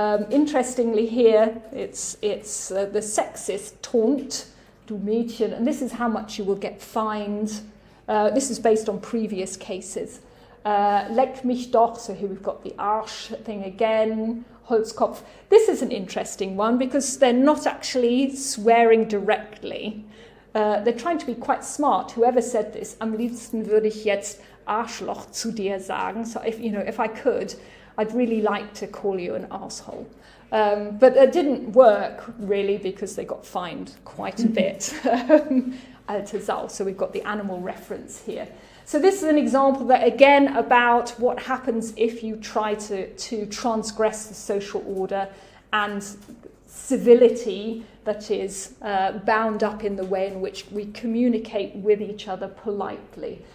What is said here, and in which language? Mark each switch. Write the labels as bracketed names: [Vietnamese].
[English] Interestingly here, it's the sexist taunt, [German] du Mädchen, [English] and this is how much you will get fined. This is based on previous cases. [German] Leck mich doch, [English] so here we've got the Arsch thing again, Holzkopf. This is an interesting one because they're not actually swearing directly. They're trying to be quite smart. Whoever said this, [German] am liebsten würde ich jetzt Arschloch zu dir sagen. [English] So if I could, I'd really like to call you an asshole. But it didn't work really because they got fined quite a bit. [German] Alte Sau, [English] so we've got the animal reference here. So this is an example that again about what happens if you try to transgress the social order and civility that is bound up in the way in which we communicate with each other politely.